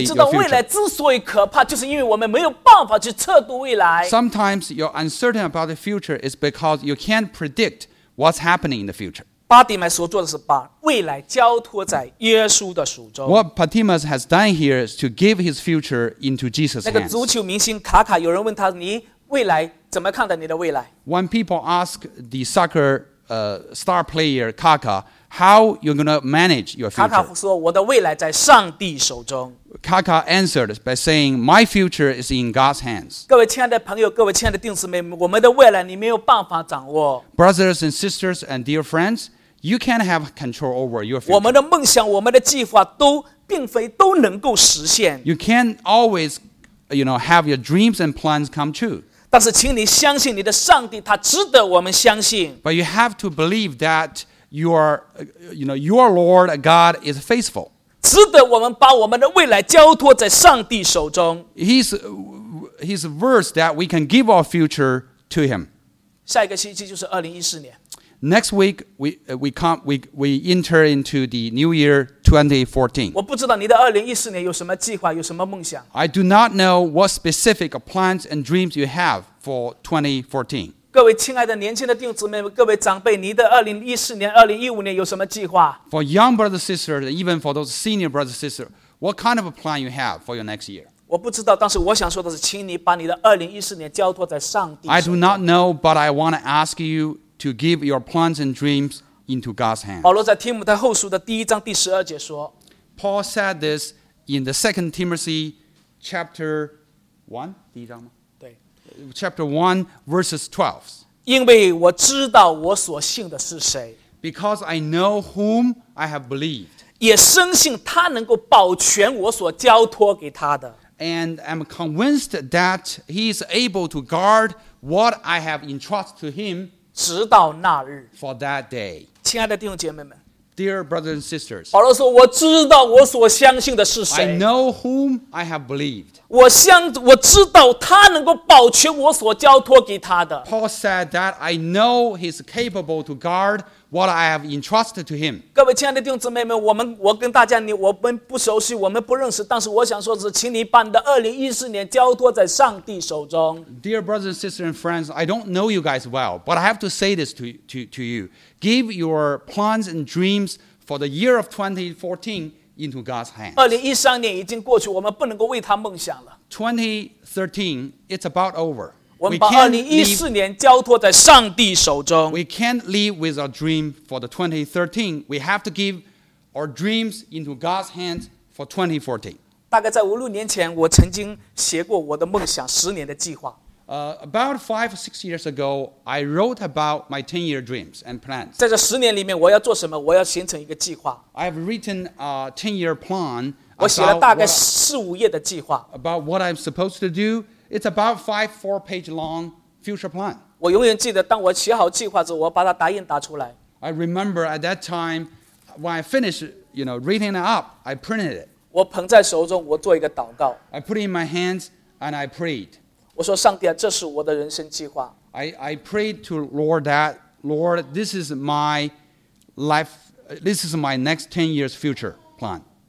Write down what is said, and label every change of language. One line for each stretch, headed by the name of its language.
Chinese: 你知道未来之所以可怕，就是因为我们没有办法去测度未来。
English: Sometimes you're uncertain about the future is because you can't predict what's happening in the future.
Chinese: 巴提买所做的是把未来交托在耶稣的手中。
English: What Bartimaeus has done here is to give his future into Jesus' hands.
Chinese: 那个足球明星卡卡，有人问他：“你未来怎么看待你的未来
English: ？”When people ask the soccer star player Kaká, how you're going to manage your future?
Chinese: 卡卡说：“我的未来在上帝手中。”
English: Kaká answered by saying, "My future is in God's hands."
Chinese: 各位亲爱的朋友，各位亲爱的弟兄姊妹，我们的未来你没有办法掌握。
English: Brothers and sisters and dear friends, you can't have control over your future.
Chinese: 我们的梦想，我们的计划都并非都能够实现。
English: You can't always, you know, have your dreams and plans come true.
Chinese: 但是请你相信你的上帝，他值得我们相信。
English: But you have to believe that your Lord God is faithful.
Chinese: 值得我们把我们的未来交托在上帝手中。
English: He's worth that we can give our future to him.
Chinese: 下一个星期就是2014年。
English: Next week we enter into the new year 2014.
Chinese: 我不知道你的2014年有什么计划，有什么梦想。
English: I do not know what specific plans and dreams you have for 2014.
Chinese: 各位亲爱的年轻的弟兄姊妹，各位长辈，你的2014年、2015年有什么计划
English: ？For young brothers and sisters, even for those senior brothers and sisters, what kind of a plan you have for your next year?
Chinese: 我不知道，但是我想说的是，请你把你的2014年交托在上帝手中。
English: I do not know, but I want to ask you. To give your plans and dreams into God's hands.
Chinese: 保罗在提摩太后书的第一章第十二节说
English: ，Paul said this in the Second Timothy, chapter one,
Chinese: 第一章吗？对
English: ，chapter one, verses 12.
Chinese: 因为我知道我所信的是谁
English: ，because I know whom I have believed.
Chinese: 也深信他能够保全我所交托给他的。
English: And I'm convinced that he is able to guard what I have entrusted to him.
Chinese: 直到那日
English: ，For that day，
Chinese: 亲爱的弟兄姐妹们
English: ，Dear brothers and sisters，
Chinese: 保罗说：“我知道我所相信的是谁。
English: ”I know whom I have believed。
Chinese: 我知道他能够保全我所交托给他的。
English: Paul said that I know he's capable to guard what I have entrusted to him。
Chinese: 各位亲爱的弟兄姊妹们，我跟大家我们不熟悉，我们不认识，但是我想说的是，请你把你的2014年交托在上帝手中。
English: Dear brothers and sisters and friends, I don't know you guys well, but I have to say this to you. Give your plans and dreams for the year of 2014. Into God's hands.
Chinese: 2013年已经过去，我们不能够为他梦想了。
English: 2013, it's about over.
Chinese: 我们把2014年交托在上帝手中。
English: We can't live with our dream for the 2013. We have to give our dreams into God's hands for 2014.
Chinese: 大概在五六年前，我曾经写过我的梦想十年的计划。
English: About 5 or 6 years ago, I wrote about my 10-year dreams and plans.
Chinese: 在这十年里面，我要做什么？我要形成一个计划。
English: I have written a 10-year plan.
Chinese: 我写了大概四五页的计划。
English: About what I'm supposed to do, it's about 5-4 page long future plan.
Chinese: 我永远记得，当我写好计划之后，我把它打印打出来。
English: I remember at that time when I finished, you know, writing it up, I printed it.
Chinese: 我捧在手中，我做一个祷告。
English: I put it in my hands and I prayed.
Chinese: 我说上帝啊，这是我的人生计划。
English: I prayed to Lord that, Lord, this is my life, this is my next 10 years future plan.